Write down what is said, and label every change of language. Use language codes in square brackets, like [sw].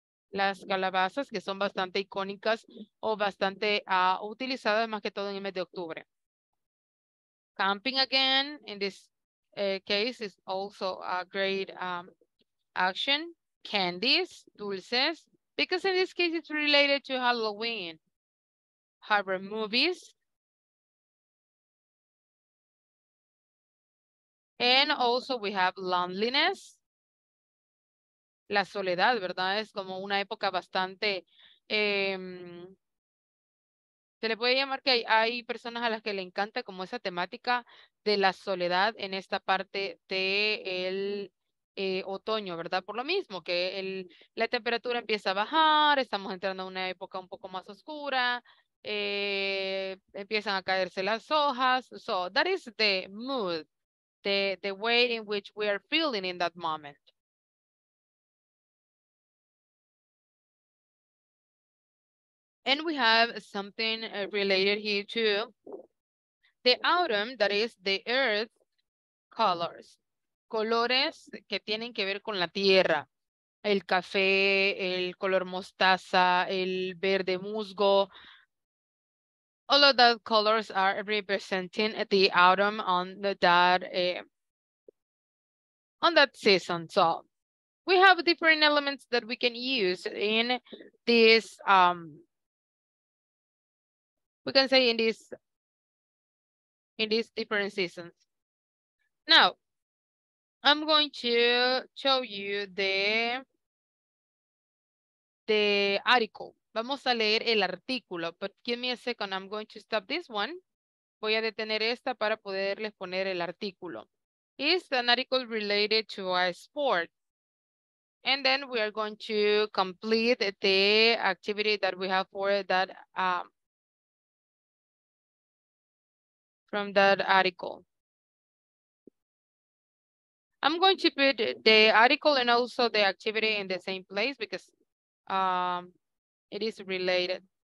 [es] las calabazas, que son bastante icónicas o bastante utilizadas más que todo en el mes de octubre. [en] Camping again, in this case, is also a great action. Candies, dulces, because in this case it's related to Halloween. Horror movies. And also we have loneliness. [es] La soledad, ¿verdad? Es como una época bastante, se le puede llamar que hay personas a las que le encanta como esa temática de la soledad en esta parte del otoño, ¿verdad? Por lo mismo que la temperatura empieza a bajar, estamos entrando a una época un poco más oscura, empiezan a caerse las hojas. [en] So that is the mood, the way in which we are feeling in that moment. And we have something related here to the autumn, that is the earth colors, [es] colores que tienen que ver con la tierra, el café, el color mostaza, el verde musgo. [en] All of those colors are representing the autumn on that season. So we have different elements that we can use in this we can say in these different seasons. Now, I'm going to show you the article. [es] Vamos a leer el artículo, [en] but give me a second, I'm going to stop this one. [es] Voy a detener esta para poderles poner el artículo. [en] Is an article related to a sport? And then we are going to complete the activity that we have for that, from that article. I'm going to put the article and also the activity in the same place because it is related.